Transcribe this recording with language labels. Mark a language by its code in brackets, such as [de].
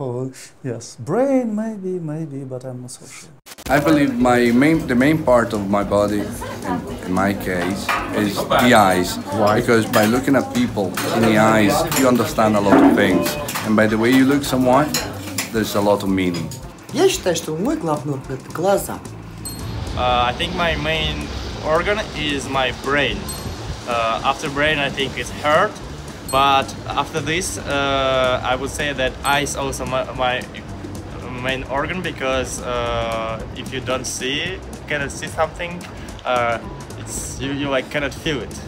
[en] Or, yes, brain maybe, but I'm not so sure. I believe the main part of my body, in my case, is the eyes. Why? Because by looking at people in the eyes, you understand a lot of things. And by the way you look someone, there's a lot of meaning. [ru] Я считаю, что мой главный орган – это глаза. [en] I think my main organ is my brain. After brain, I think it's heart. But after this, I would say that eyes also my main organ because if you don't see, cannot see something, you cannot feel it.